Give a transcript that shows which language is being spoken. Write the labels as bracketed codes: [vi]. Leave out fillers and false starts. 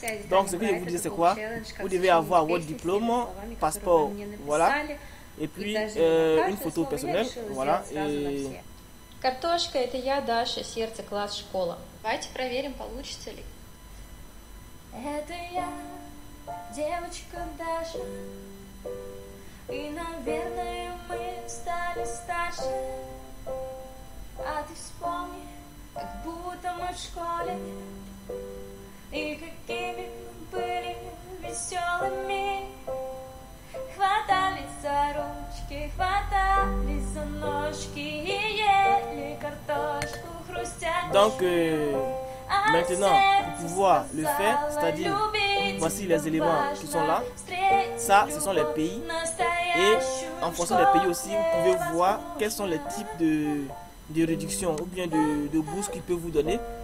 [fr] Donc ce que je vous disais, c'est quoi? Vous devez avoir votre diplôme, passeport, voilà, et puis une photo personnelle, voilà. [ru] Картошка, это я, Даша, сердце, класс, школа. Давайте проверим, получится ли. Это я, девочка Даша, и, наверное, мы стали старше. А ты вспомни, как будто мы в школе, и какими были веселыми. Хватали за ручки, хватали за ножки и ели картошку хрустящую. [fr] Donc maintenant, pour pouvoir le faire, c'est-à-dire, voici les éléments qui sont là. Ça, ce sont les pays. Et en fonction des pays aussi, vous pouvez voir quels sont les types de réductions ou bien de bourses qu'ils peuvent vous donner.